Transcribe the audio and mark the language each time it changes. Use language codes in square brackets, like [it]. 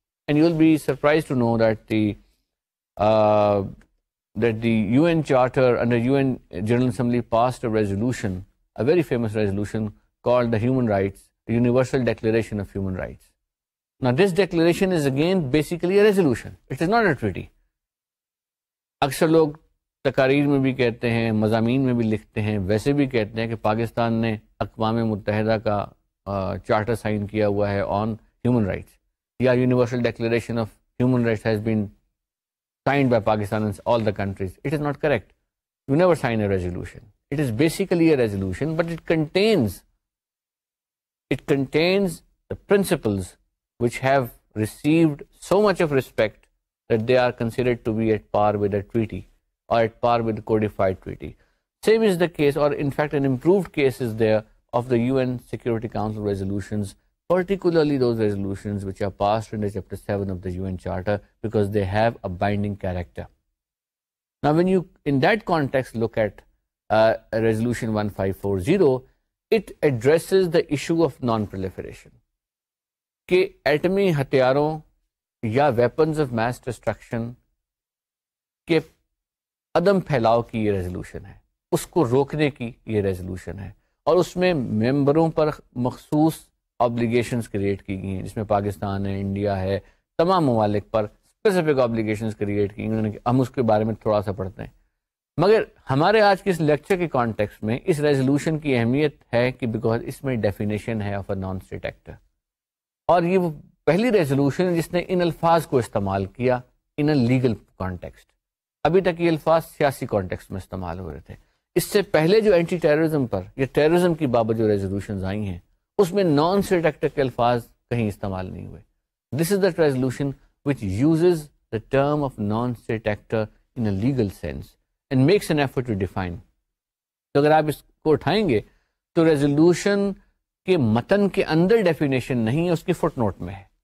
[en] And you'll be surprised to know that the UN Charter under UN General Assembly passed a resolution, a very famous resolution called the Human Rights, the Universal Declaration of Human Rights. Now this declaration is again basically a resolution. It is not a treaty. [ur] Aksar log تقاریر میں بھی کہتے ہیں, مضامین میں بھی لکھتے ہیں, ویسے بھی کہتے ہیں کہ پاکستان نے اقوام متحدہ کا چارٹر سائن کیا ہوا ہے آن ہیومن رائٹس یا universal declaration of human rights has been signed by Pakistan all the countries. [en] It is not correct. You never sign a resolution. It is basically a resolution but it contains the principles which have received so much of respect that they are considered to be at par with a treaty or at par with the codified treaty. Same is the case, or in fact an improved case is there, of the UN Security Council resolutions, particularly those resolutions which are passed under Chapter 7 of the UN Charter, because they have a binding character. Now when you, in that context, look at Resolution 1540, it addresses the issue of non-proliferation. [ur] Ke atomi hathiyaron ya [en] weapons of mass destruction [ur] ke عدم پھیلاؤ کی یہ resolution ہے, اس کو روکنے کی یہ resolution ہے, اور اس میں ممبروں پر مخصوص آبلیگیشنز کریٹ کی گئی ہیں جس میں پاکستان ہے, انڈیا ہے, تمام ممالک پر اسپیسیفک آبلیگیشنز کریٹ کی انہوں نے. ہم اس کے بارے میں تھوڑا سا پڑھتے ہیں, مگر ہمارے آج کے اس لیکچر کے کانٹیکسٹ میں اس ریزولوشن کی اہمیت ہے کہ بیکاز اس میں ڈیفینیشن ہے of a non state actor, اور یہ وہ پہلی ریزولوشن ہے جس نے ان الفاظ کو استعمال کیا [en] In a legal context. [ur] ابھی تک یہ الفاظ سیاسی کانٹیکسٹ میں استعمال ہو رہے تھے. اس سے پہلے جو اینٹی ٹیررزم پر یا ٹیررزم کی بابت جو ریزولوشنز آئی ہیں اس میں نان اسٹیٹ ایکٹر کے الفاظ کہیں استعمال نہیں ہوئے. [en] This is the resolution which uses the term of non state actor in a legal sense and makes an effort to define. [ur] تو اگر آپ اس کو اٹھائیں گے تو ریزولوشن کے متن کے اندر ڈیفینیشن نہیں ہے, اس کی فٹ نوٹ میں ہے.